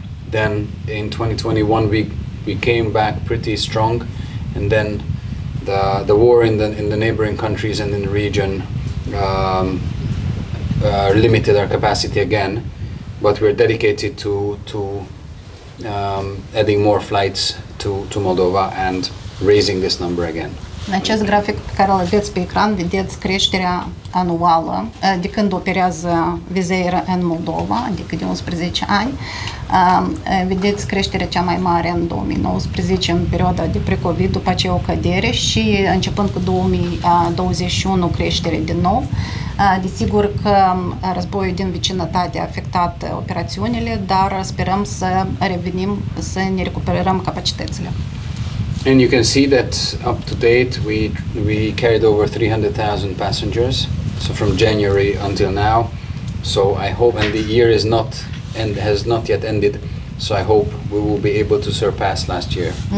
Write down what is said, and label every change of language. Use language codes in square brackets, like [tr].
[en] Then in 2021 we came back pretty strong, and then the war in the neighboring countries and in the region limited our capacity again, but we're dedicated to adding more flights to Moldova and raising this number again. [ro] În acest grafic pe care îl aveți pe ecran, vedeți creșterea anuală de când operează Wizz Air în Moldova, adică de 11 ani. Vedeți creșterea cea mai mare în 2019, în perioada de pre-COVID, după aceea o cădere și începând cu 2021 creștere din nou. Desigur că războiul din vecinătate a afectat operațiunile, dar sperăm să revenim, să ne recuperăm capacitățile. [en] And you can see that up to date we carried over 300,000 passengers, so from January until now. So I hope, and the year is not and has not yet ended, so I hope we will be able to surpass last year.